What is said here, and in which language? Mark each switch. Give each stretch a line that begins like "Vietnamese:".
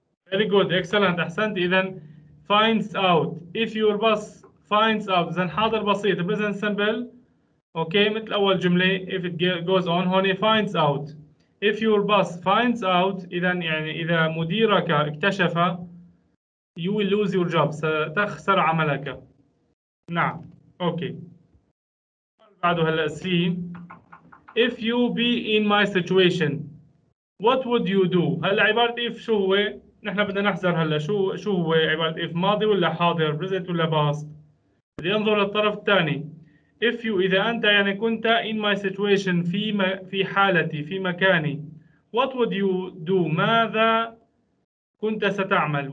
English: very good, excellent، أحسنت. إذا finds out if your boss finds out،
Arabic: إذا حاضر بسيط
English: present simple.
Arabic: اوكي، مثل اول جمله if it goes on، هون finds out.
English: if your boss finds out،
Arabic: اذا يعني اذا مديرك اكتشف
English: you will lose your job،
Arabic: ستخسر عملك. نعم. اوكي، بعده هلا سي.
English: if you be in my situation what would you do.
Arabic: هلا عباره if شو هو؟ نحن بدنا نحذر هلا شو هو عباره if، ماضي ولا حاضر، present ولا past؟ لينظر للطرف الثاني. if you إذا أنت يعني كنت
English: in my situation
Arabic: في حالتي في مكاني
English: what would you do،
Arabic: ماذا كنت ستعمل.